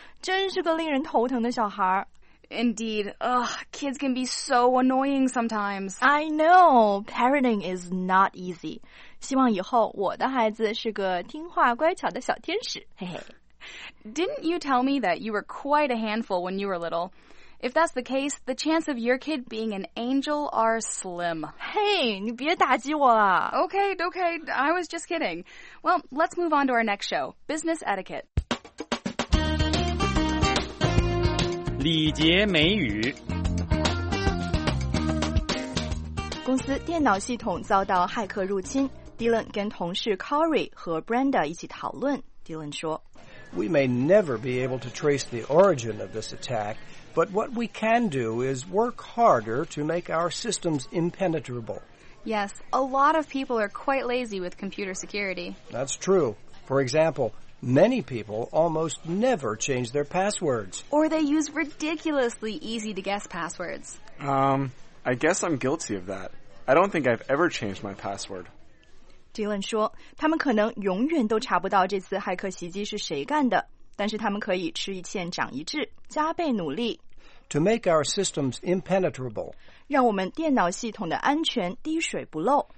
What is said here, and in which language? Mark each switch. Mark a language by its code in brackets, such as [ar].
[zh] 真是个令人头疼的小孩。 [en] Indeed. Ugh, kids can be so annoying sometimes. I know. Parenting is not easy. [zh] 希望以后我的孩子是个听话乖巧的小天使。嘿嘿。 [en] Didn't you tell me that you were quite a handful when you were little? If that's the case, the chance of your kid being an angel are slim. [zh] Hey, 你别打击我啦。 [en] Okay, okay. I was just kidding. Well, let's move on to our next show, Business Etiquette. [zh] 礼节美语。公司电脑系统遭到骇客入侵， Dylan 跟同事 Corey 和 Brenda 一起讨论。Dylan 说， [en] We may never be able to trace the origin of this attack, but what we can do is work harder to make our systems impenetrable. Yes, a lot of people are quite lazy with computer security. That's true. For example,Many people almost never change their passwords. Or they use ridiculously easy-to-guess passwords. I guess I'm guilty of that. I don't think I've ever changed my password. [zh] Dylan 说，他们可能永远都查不到这次骇客袭击是谁干的，但是他们可以吃一堑长一智，加倍努力。 [en] To make our systems impenetrable. [zh] 让我们电脑系统的安全滴水不漏。